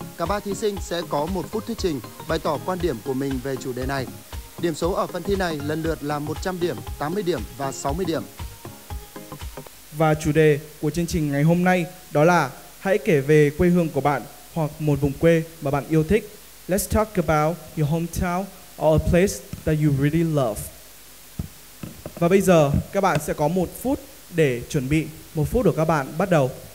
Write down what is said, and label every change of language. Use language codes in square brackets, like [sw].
[vi] Cả ba thí sinh sẽ có một phút thuyết trình, bày tỏ quan điểm của mình về chủ đề này. Điểm số ở phần thi này lần lượt là 100 điểm, 80 điểm và 60 điểm. Và chủ đề của chương trình ngày hôm nay đó là hãy kể về quê hương của bạn hoặc một vùng quê mà bạn yêu thích. [en] Let's talk about your hometown or a place that you really love. [vi] Và bây giờ, các bạn sẽ có một phút để chuẩn bị. Một phút của các bạn bắt đầu.